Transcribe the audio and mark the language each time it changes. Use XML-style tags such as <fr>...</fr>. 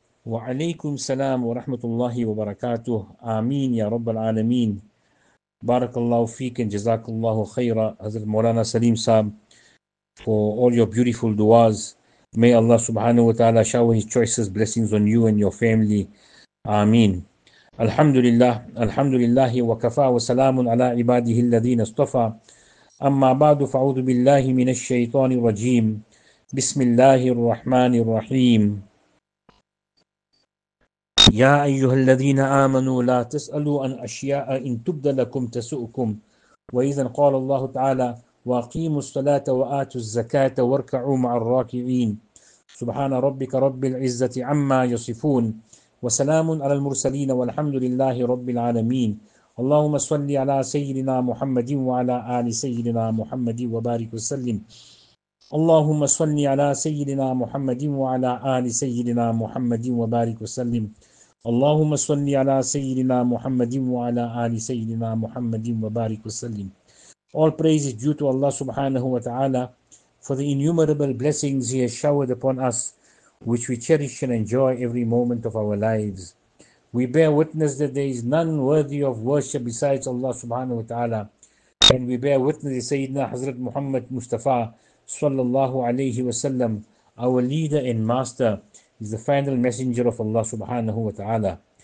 <ar>وعليكم السلام ورحمة الله وبركاته. آمين يا رب العالمين. بارك الله فيك and جزاك الله خيرا حضرت مولانا سليم صاحب</ar> <en>for all your beautiful duas. May Allah subhanahu wa ta'ala shower his choices, blessings on you and your family.</en> <ar>آمين. الحمد لله الحمد لله وكفى وسلام على عباده الذين اصطفى. أما بعد فأعوذ بالله من الشيطان الرجيم. بسم الله الرحمن الرحيم. يا أيها الذين آمنوا لا تسألوا عن أشياء إن تبد لكم تسؤكم. وإذا قال الله تعالى وأقيموا الصلاة وآتوا الزكاة واركعوا مع الراكعين. سبحان ربك رب العزة عما يصفون وسلام على المرسلين والحمد لله رب العالمين. اللهم صل على سيدنا محمد وعلى آل سيدنا محمد وبارك وسلم. اللهم صل على سيدنا محمد وعلى آل سيدنا محمد وبارك وسلم. اللهم صل على سيدنا محمد وعلى آل سيدنا محمد وبارك وسلم.</ar> <en>All praise is due to Allah subhanahu wa ta'ala for the innumerable blessings He has showered upon us, which we cherish and enjoy every moment of our lives. We bear witness that there is none worthy of worship besides Allah subhanahu wa ta'ala. And we bear witness that Sayyidina Hazrat Muhammad Mustafa sallallahu alayhi wa sallam, our leader and master, is the final messenger of Allah subhanahu wa ta'ala.</en>